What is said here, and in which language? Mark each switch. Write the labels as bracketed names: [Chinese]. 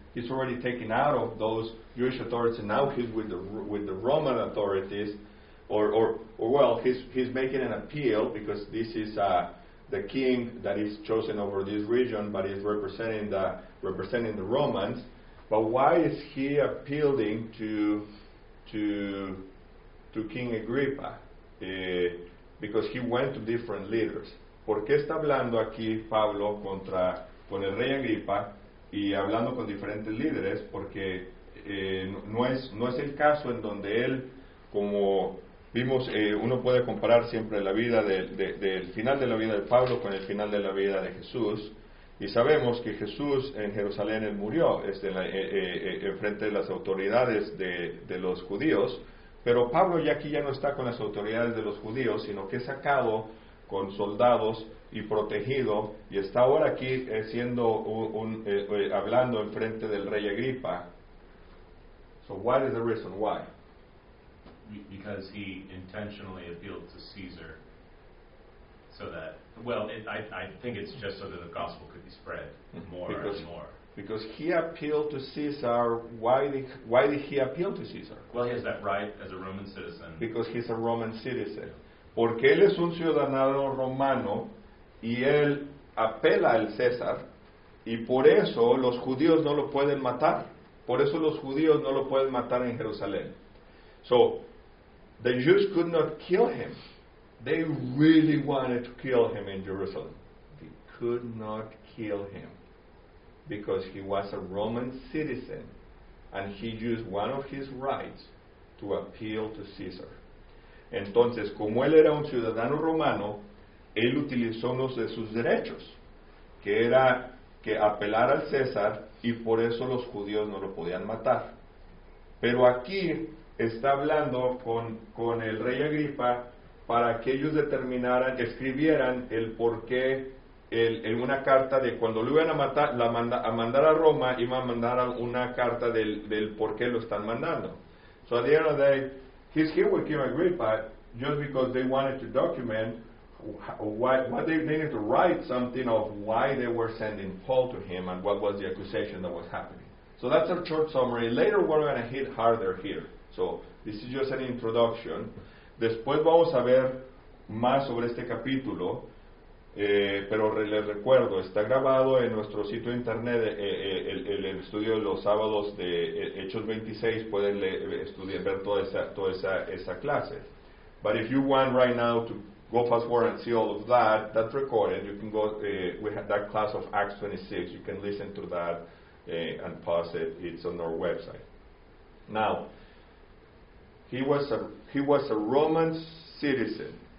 [English] He's already taken out of those Jewish authorities, and now he's with the Roman authorities, or he's making an appeal, because this is the king that is chosen over this region, but he's representing the Romans. But why is he appealing to King Agrippa? Because he went to different leaders. [Spanish] ¿Por qué está hablando aquí Pablo con el rey Agripa y hablando con diferentes líderes? Porque no es el caso en donde él, como vimos, uno puede comparar siempre la vida del final de la vida de Pablo con el final de la vida de Jesús. Y sabemos que Jesús en Jerusalén él murió en frente de las autoridades de los judíos. Pero Pablo ya aquí ya no está con las autoridades de los judíos, sino que es sacado con soldados y protegido, y está ahora aquí siendo hablando en frente del rey Agripa. [English] So what is the reason why? Because he intentionally appealed to Caesar so that, well, I think it's just so that the gospel could be spread more and more. Because he appealed to Caesar. Why did he appeal to Caesar? Well, he has that right as a Roman citizen. Because he's a Roman citizen. [Spanish] Porque él es un ciudadano romano, y él apela al César, y por eso los judíos no lo pueden matar. Por eso los judíos no lo pueden matar en Jerusalén. [English] So, the Jews could not kill him. They really wanted to kill him in Jerusalem. They could not kill him. Because he was a Roman citizen, and he used one of his rights to appeal to Caesar. [Spanish] Entonces, como él era un ciudadano romano, él utilizó uno de sus derechos, que era que apelar al César, y por eso los judíos no lo podían matar. Pero aquí está hablando con el rey Agripa para que ellos determinaran, escribieran el porqué. En una carta de cuando lo iban a matar, mandar a Roma, iban a mandar una carta del por qué lo están mandando. [English] So at the end of the day, he's here with King Agrippa just because they wanted to document why they needed to write something of why they were sending Paul to him and what was the accusation that was happening. So that's a short summary. Later we're going to hit harder here. So this is just an introduction. [Spanish] Después vamos a ver más sobre este capítulo. Pero les recuerdo, está grabado en nuestro sitio internet el estudio de los sábados de Hechos 26. Pueden estudiar, ver toda esa clase. [English] But if you want right now to go fast forward and see all of that, that's recorded. You can go, we have that class of Acts 26. You can listen to that and pause it. It's on our website. Now, he was a Roman citizen.